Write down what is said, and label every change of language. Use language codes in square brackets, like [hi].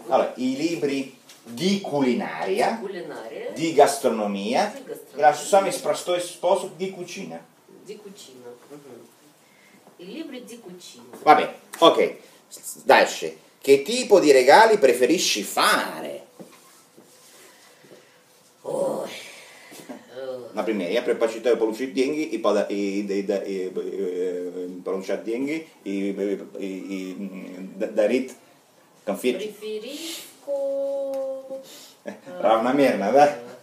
[it] Allora, i libri di culinaria. Di culinaria. Di gastronomia. Di gastronomia. [ru] Самый простой способ [it] di cucina. Di cucina. I libri di cucina. Vabbè, ok. Dalce, che tipo di regali preferisci fare? [ru] Например, я предпочитаю получить деньги и дарить конфеты. Преферишко. Равномерно, да?